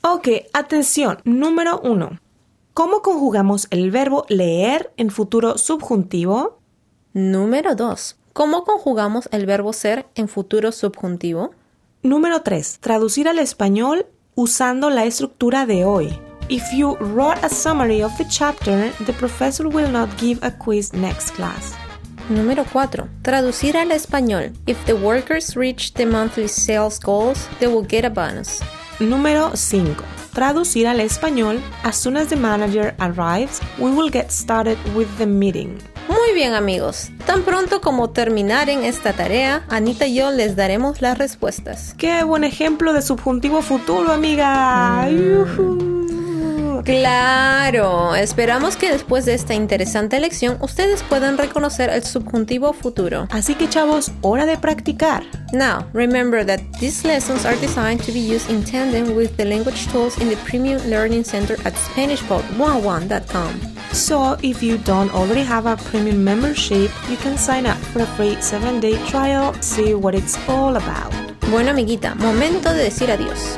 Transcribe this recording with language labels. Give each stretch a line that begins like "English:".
Spanish: Ok, atención. Número 1. ¿Cómo conjugamos el verbo leer en futuro subjuntivo? Número 2. ¿Cómo conjugamos el verbo ser en futuro subjuntivo? Número 3. Traducir al español usando la estructura de hoy.
English: If you wrote a summary of the chapter, the professor will not give a quiz next class.
Spanish: Número 4. Traducir al español.
English: If the workers reach the monthly sales goals, they will get a bonus.
Spanish: Número 5. Traducir al español.
English: As soon as the manager arrives, we will get started with the meeting.
Spanish: Muy bien, amigos. Tan pronto como terminaren esta tarea, Anita y yo les daremos las respuestas. ¡Qué buen ejemplo de subjuntivo futuro, amiga! ¡Yuhu! ¡Claro! Esperamos que después de esta interesante lección, ustedes puedan reconocer el subjuntivo futuro. Así que chavos, hora de practicar.
English: Now, remember that these lessons are designed to be used in tandem with the language tools in the Premium Learning Center at SpanishPod101.com. So, if you don't already have a premium membership, you can sign up for a free 7-day trial, see what it's all about.
Spanish: Bueno, amiguita, momento de decir adiós.